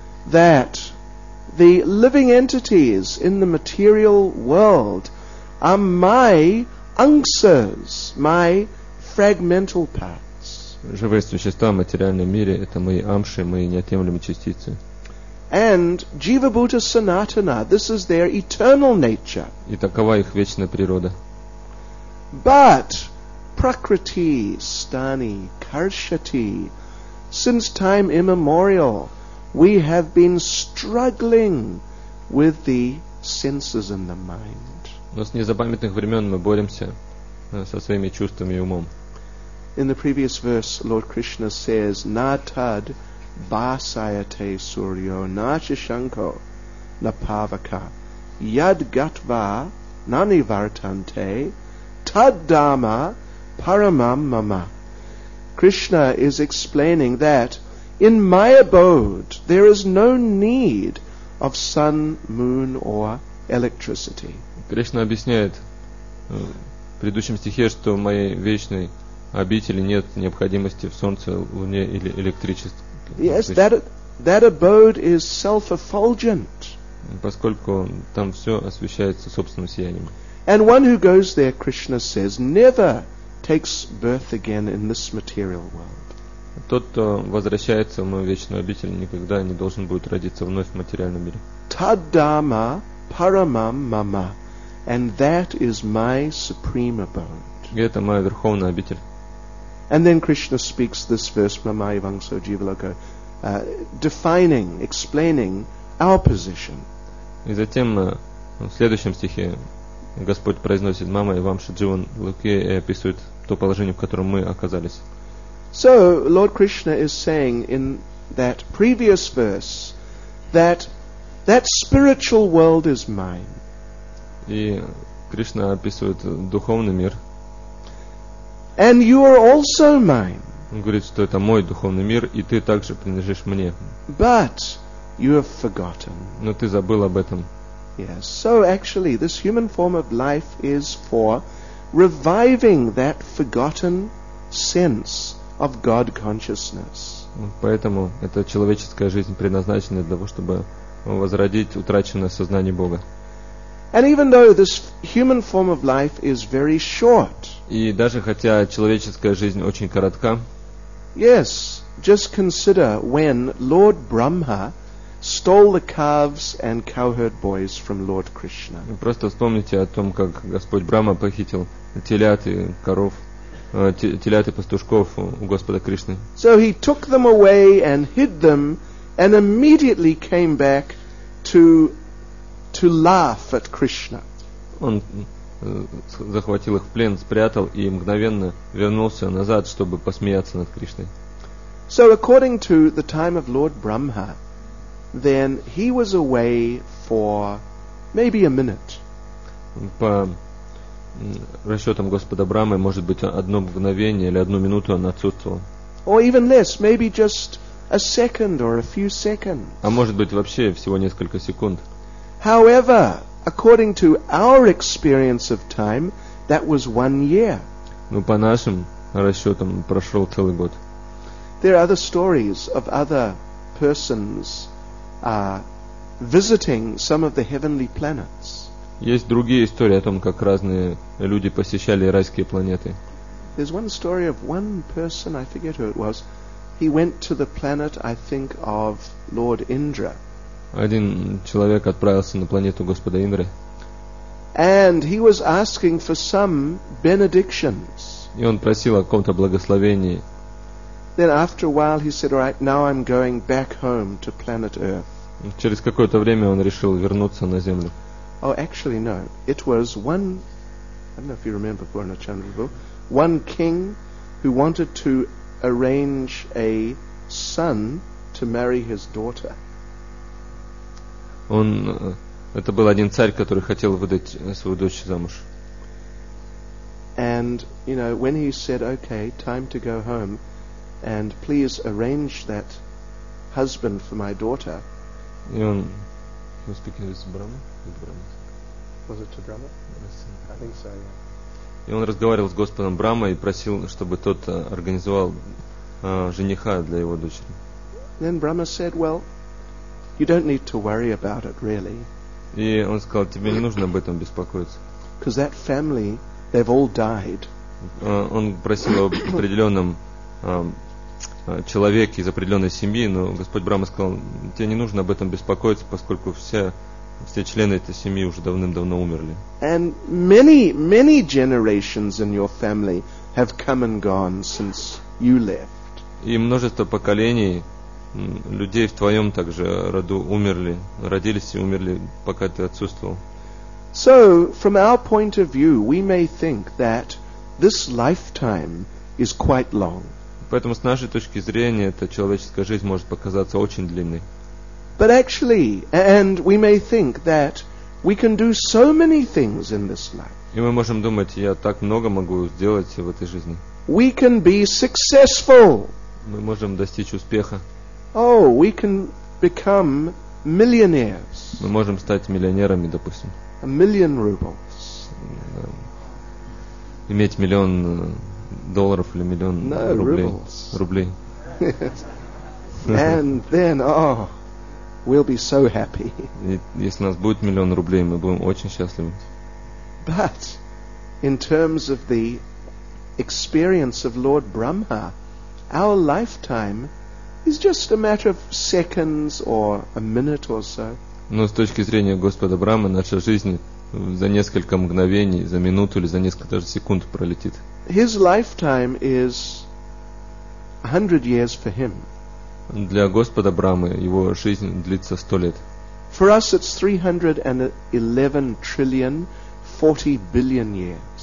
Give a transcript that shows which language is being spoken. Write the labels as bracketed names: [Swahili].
[English] That the living entities in the material world are my angsas, my fragmental parts. [Russian] Живые существа в материальном мире — это мои амши, мои неотъемлемые частицы. [English] And [Sanskrit] jiva bhuta sanatana, [English] this is their eternal nature. [Russian] И такова их вечная природа. [English] But [Sanskrit] prakriti stani karshati, [English] since time immemorial, we have been struggling with the senses and the mind. [Russian] Но с незапамятных времен мы боремся со своими чувствами и умом. [English] In the previous verse, Lord Krishna says, [Sanskrit] "Na tad vasayate suryo, na chishanko, na pavaka, yad gatva nani vartante, tad dharma paramam mama." [English] Krishna is explaining that in my abode there is no need of sun, moon, or electricity. [Russian] Krishna объясняет в предыдущем стихе, что моей вечной обители нет необходимости в солнце, луне или электричестве. [English] Yes, that abode is self-effulgent. [Russian] Поскольку там все освещается собственным сиянием. [English] And one who goes there, Krishna says, never takes birth again in this material world. [Russian] Тот, кто возвращается в мою вечную обитель, никогда не должен будет родиться вновь в материальном мире. [Sanskrit] Таддама парамам мама, [English] and that is my supreme abode. [Russian] Это моя верховная обитель. [English] And then Krishna speaks this verse, [Sanskrit] mama evangso jivaloko, [English] defining, explaining our position. [Russian] И затем в следующем стихе Господь произносит [Sanskrit] мама евамша дживан луке [Russian] и описывает то положение, в котором мы оказались. [English] So Lord Krishna is saying in that previous verse that that spiritual world is mine. [Russian] И Кришна описывает духовный мир. [English] And you are also mine. [Russian] Он говорит, что это мой духовный мир, и ты также принадлежишь мне. [English] But you have forgotten. [Russian] Но ты забыл об этом. [English] Yes. So actually, this human form of life is for reviving that forgotten sense of God consciousness. [Russian] Поэтому эта человеческая жизнь предназначена для того, чтобы возродить утраченное сознание Бога. [English] And even though this human form of life is very short, [Russian] и даже хотя человеческая жизнь очень коротка, [English] yes, just consider when Lord Brahma stole the calves and cowherd boys from Lord Krishna. [Russian] Просто вспомните о том, как Господь Брахма похитил телят и коров, телят и пастушков у Господа Кришны. [English] So he took them away and hid them, and immediately came back to laugh at Krishna. [Russian] Он захватил их в плен, спрятал и мгновенно вернулся назад, чтобы посмеяться над Кришной. [English] So according to the time of Lord Brahma, then he was away for maybe a minute. [Russian] По расчетам Господа Брахмы, может быть, одно мгновение или одну минуту он отсутствовал. [English] Or even less, maybe just a second or a few seconds. [Russian] А может быть, вообще всего несколько секунд. [English] However, according to our experience of time, that was 1 year. [Russian] Ну, по нашим расчетам, прошел целый год. [English] There are other stories of other persons visiting some of the heavenly planets. [Russian] Есть другие истории о том, как разные люди посещали райские планеты. [English] There's one story of one person, I forget who it was. He went to the planet, I think, of Lord Indra. [Russian] Один человек отправился на планету Господа Индры. [English] And he was asking for some benedictions. [Russian] И он просил о каком-то благословении. [English] Then after a while he said, "All right, now I'm going back home to planet Earth." [Russian] Через какое-то время он решил вернуться на Землю. [English] Oh, actually no. It was one, I don't know if you remember Purna Chandrabhu, one king who wanted to arrange a son to marry his daughter. [Russian] Он, это был один царь, который хотел выдать свою дочь замуж. [English] And you know, when he said, "Okay, time to go home, and please arrange that husband for my daughter." [Russian] И он, [English] he was speaking with Brahma? With Brahma. Was it to Brahma? Yes. I think so. Yeah. [Russian] И он разговаривал с Господом Брахмой и просил, чтобы тот организовал жениха для его дочери. [English] Then Brahma said, "Well, you don't need to worry about it, really." [Russian] И он сказал, тебе не нужно об этом беспокоиться. [English] Because that family, they've all died. [Russian] Он просил об определенном человеке из определенной семьи, но Господь Брахма сказал, тебе не нужно об этом беспокоиться, поскольку все члены этой семьи уже давным-давно умерли. [English] And many, many generations in your family have come and gone since you left. [Russian] И множество поколений людей в твоем также роду умерли, родились и умерли, пока ты отсутствовал. [English] So, from our point of view, we may think that this lifetime is quite long. [Russian] Поэтому с нашей точки зрения эта человеческая жизнь может показаться очень длинной. [English] But actually, and we may think that we can do so many things in this life. [Russian] И мы можем думать, я так много могу сделать в этой жизни. [English] We can be successful. [Russian] Мы можем достичь успеха. [English] Oh, we can become millionaires. [Russian] Мы можем стать миллионерами, допустим. [English] A million rubles. [Russian] Иметь миллион долларов или миллион [English] no, [Russian] рублей. [English] Rubles. [Russian] Рублей. [English] And then, oh, we'll be so happy. [Russian] Если у нас будет миллион рублей, мы будем очень счастливы. [English] But in terms of the experience of Lord Brahma, our lifetime is just a matter of seconds or a minute or so. [Russian] Но с точки зрения Господа Брахмы, наша жизнь за несколько мгновений, за минуту или за несколько даже секунд пролетит. [English] His lifetime is 100 years for him. [Russian] Для Господа Брахмы его жизнь длится 100 лет. [English] For us it's 311 trillion 40 billion years.